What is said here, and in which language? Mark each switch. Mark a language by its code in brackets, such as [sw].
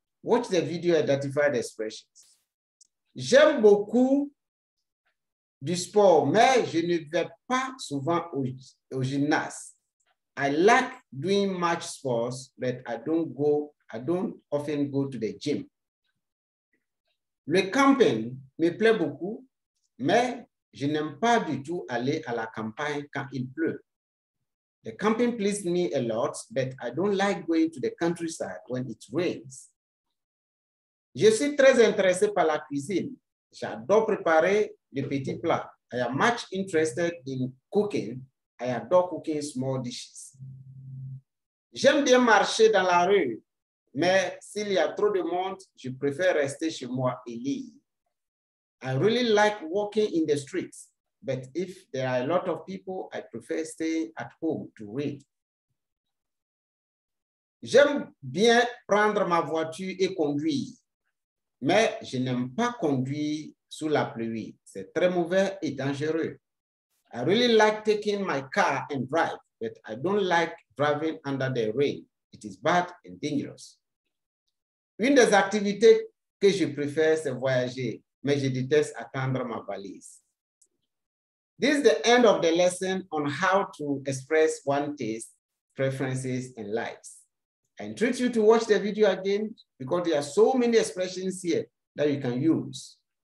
[en] Watch the video, identify the expressions. [fr] J'aime beaucoup du sport, mais je ne vais pas souvent au gymnase. [en] I like doing much sports, but I don't often go to the gym. [fr] Le camping me plaît beaucoup, mais je n'aime pas du tout aller à la campagne quand il pleut. [en] The camping pleases me a lot, but I don't like going to the countryside when it rains. [fr] Je suis très intéressé par la cuisine. J'adore préparer les petits plats. [en] I am much interested in cooking. I adore cooking small dishes. [fr] J'aime bien marcher dans la rue, mais s'il y a trop de monde, je préfère rester chez moi et lire. [en] I really like walking in the streets, but if there are a lot of people, I prefer staying at home to read. [fr] J'aime bien prendre ma voiture et conduire, mais je n'aime pas conduire sous la pluie. C'est très mauvais et dangereux. [en] I really like taking my car and drive, but I don't like driving under the rain. It is bad and dangerous. [fr] Une des activités que je préfère, c'est voyager, mais je déteste attendre ma valise. [en] This is the end of the lesson on how to express one's taste, preferences, and likes. I entreat you to watch the video again because there are so many expressions here that you can use.